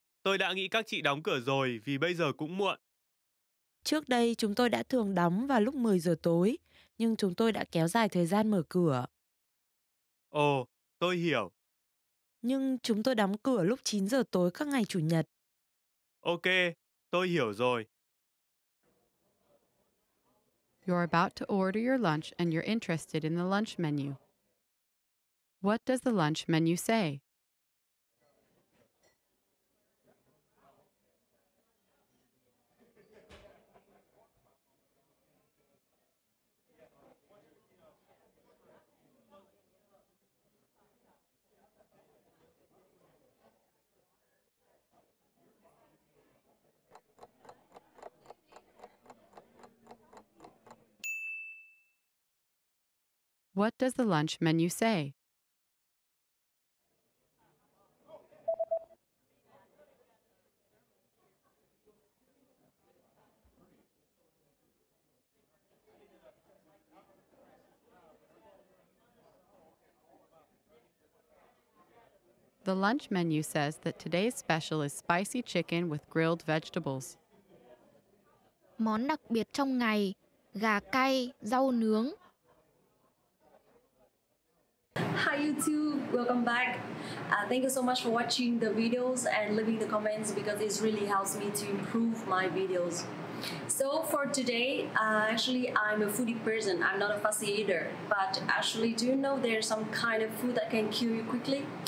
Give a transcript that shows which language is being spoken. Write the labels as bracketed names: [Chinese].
[Vietnamese] Tôi đã nghĩ các chị đóng cửa rồi vì bây giờ cũng muộn. Trước đây chúng tôi đã thường đóng vào lúc 10 giờ tối, nhưng chúng tôi đã kéo dài thời gian mở cửa. Ồ, tôi hiểu. Nhưng chúng tôi đóng cửa lúc 9 giờ tối các ngày chủ nhật. Ok, tôi hiểu rồi. [English] You're about to order your lunch and you're interested in the lunch menu. What does the lunch menu say? What does the lunch menu say? The lunch menu says that today's special is spicy chicken with grilled vegetables. [Vietnamese] Món đặc biệt trong ngày, gà cay, rau nướng. [English] Hi YouTube, welcome back. Thank you so much for watching the videos and leaving the comments because it really helps me to improve my videos. So for today, actually I'm a foodie person. I'm not a fussy eater. But actually, do you know there's some kind of food that can kill you quickly?